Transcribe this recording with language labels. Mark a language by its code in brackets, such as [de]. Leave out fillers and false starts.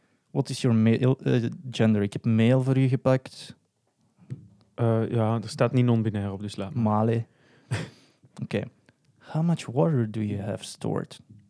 [en] What is your male gender? [nl] Ik heb male voor u gepakt. Ja, er staat niet non-binair op, dus laat me. Male. Oké. [en] How much water do you have stored?